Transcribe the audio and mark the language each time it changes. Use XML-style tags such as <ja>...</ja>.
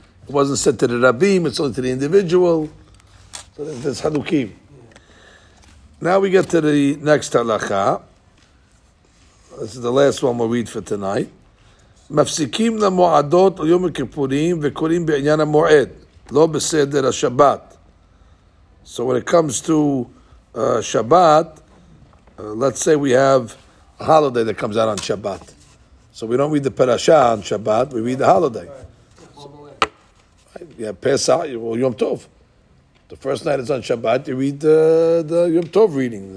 <en>It wasn't said to the Rabbim, it's only to the individual. So that's Hanukim. Now we get to the next halakha. This is the last one we'll read for tonight.</en> <he>מפסיקים למועדות על יום הכיפורים וקוראים בעניין המועד, לא בסדר השבת.</he> <en>So when it comes to Shabbat, let's say we have a holiday that comes out on Shabbat. So we don't read the parasha on Shabbat, we read the holiday. You have Pesach, or Yom Tov. The first night is on Shabbat, you read the Yom Tov reading.</en>